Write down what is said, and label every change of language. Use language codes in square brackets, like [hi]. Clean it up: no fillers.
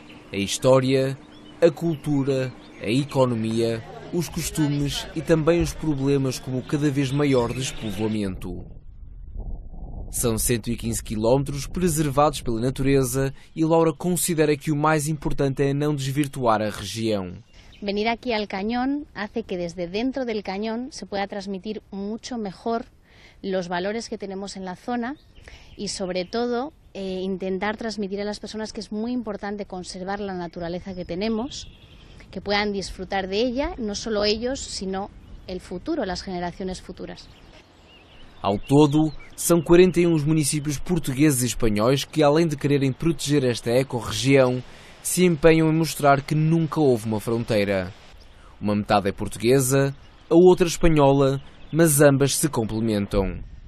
[pt] A história, a cultura, a economia, os costumes e também os problemas como o cada vez maior despovoamento. São 115 quilómetros preservados pela natureza e Laura considera que o mais importante é não desvirtuar a região. [es] Venir aqui [pt] ao Canhão [es] hace que desde dentro del cañón se pueda transmitir mucho mejor los valores que tenemos en la zona y sobre todo intentar transmitir a las personas que es muy importante conservar la naturaleza que tenemos, que puedan disfrutar de ella, no solo ellos, sino el futuro, las generaciones futuras. [pt] Ao todo, são 41 os municípios portugueses e espanhóis que, além de quererem proteger esta ecorregião, se empenham em mostrar que nunca houve uma fronteira. Uma metade é portuguesa, a outra espanhola, mas ambas se complementam.